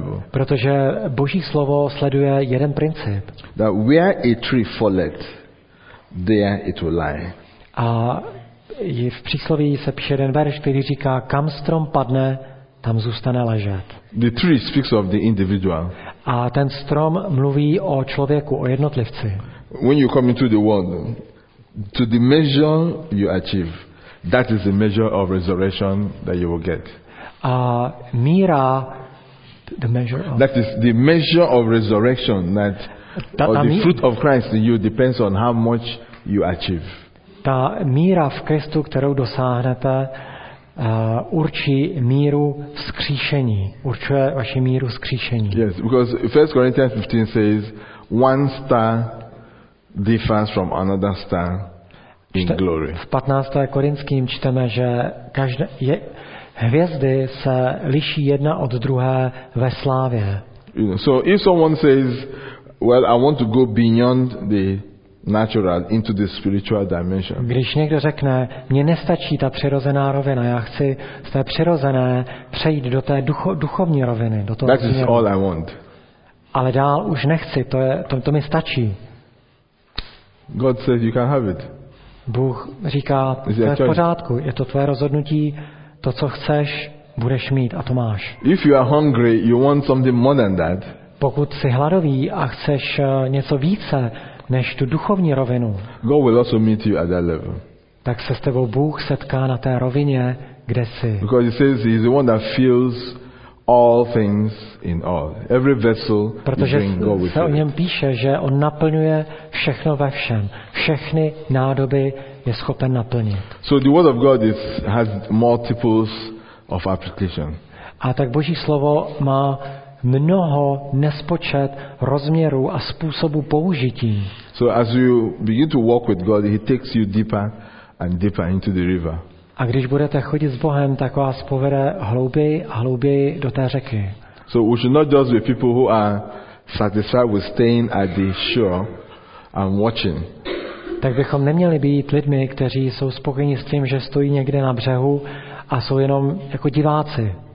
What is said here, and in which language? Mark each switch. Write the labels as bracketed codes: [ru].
[cs] Protože Boží slovo sleduje jeden princip. [en] That where a tree falleth, there it will lie. [cs] A v přísloví se píše jeden verš, který říká, kam strom padne, tam zůstane ležet. [en] The tree speaks of the individual. [cs] A ten strom mluví o člověku, o jednotlivci. [en] When you come into the world, to the measure you achieve, that is the measure of resurrection that you will get. [cs] A míra, [en] the measure of. That is the measure of resurrection, that or the fruit of Christ in you depends on how much you achieve. [cs] Ta míra v Kristu, kterou dosáhnete, určí míru vzkříšení. Určuje vaši míru vzkříšení. [en] Yes, because 1 Corinthians 15 says, one star differs from another star in glory. [cs] V 15. Korinským čteme, že hvězdy se liší jedna od druhé ve slávě. [en] You know, so if someone says, well, I want to go beyond the natural into the spiritual dimension. [cs] Když někdo řekne, mně nestačí ta přirozená rovina, já chci z té přirozené přejít do té duchovní roviny, do toho. [en] That is all I want. [cs] Ale dál už nechci, to mi stačí. [en] God says you can have it. [cs] Bůh říká, to je v pořádku, je to tvoje rozhodnutí, to co chceš, budeš mít a to máš. [en] If you are hungry, you want something more than that. [cs] Pokud jsi hladový a chceš něco více než tu duchovní rovinu. [en] God will also meet you at that level. [cs] Tak se s tebou Bůh setká na té rovině, kde jsi. [en] Because he says he's the one that fills all things in all. Every vessel [cs] protože [en] bring God [cs] se o něm píše, že on naplňuje všechno ve všem. Všechny nádoby je schopen naplnit. [en] So the word of God has multiples of application. [cs] A tak Boží slovo má mnoho nespočet rozměrů a způsobů použití. [en] So as you begin to walk with God, he takes you deeper and deeper into the river. [cs] A když budete chodit s Bohem, tak vás povede hlouběji a hlouběji do té řeky. [en] So we should not just be people who are satisfied with staying at the shore and watching. [cs] Tak bychom neměli být lidmi, kteří jsou spokojeni s tím, že stojí někde na břehu a jsou jenom jako diváci.